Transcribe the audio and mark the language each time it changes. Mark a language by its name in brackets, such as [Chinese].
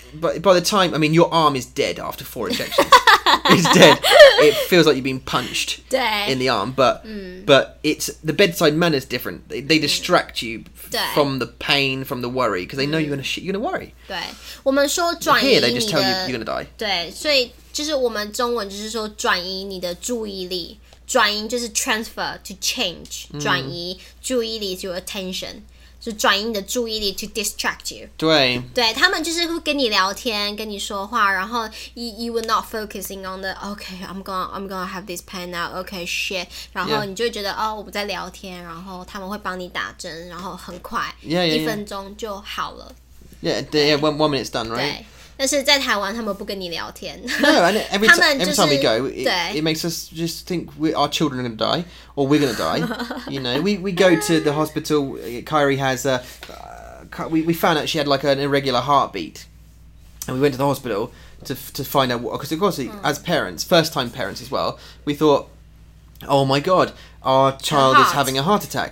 [English] But by the time, I mean, your arm is dead after 4 injections. It's dead. It feels like you've been punched in the arm. But but it's the bedside manner is different. They distract you from the pain, from the worry, because they know you're gonna shit, you're gonna worry. [Chinese] 对，我们说转移你的。 [English] Here they just tell you you're gonna die. [Chinese] 对，所以就是我们中文就是说转移你的注意力。转移就是 [English] transfer to change, [Chinese] 转移注意力 [English] to attention, [Chinese] 就转移你的注意力 [English] to distract you. [Chinese] 对，他们就是会跟你聊天，跟你说话，然后 [English] you were not focusing on the okay, I'm gonna have this pain now. Okay, shit. [Chinese] 然后你就会觉得 [English] yeah. [Chinese] 哦，我在聊天， 然后他们会帮你打针， 然后很快， [English] yeah, yeah, [Chinese] 一分钟就好了。 [English] Yeah, yeah, one minute's done, right? [Chinese] 对。但是在台灣他們不跟你聊天 [English] No, and every, every time we go it makes us just think our children are going to die or we're going to die. You know, we go to the hospital. Kyrie has a we found out she had like an irregular heartbeat, and we went to the hospital to find out what, because of course as parents, first time parents as well, we thought, oh my god, our child is having a heart attack.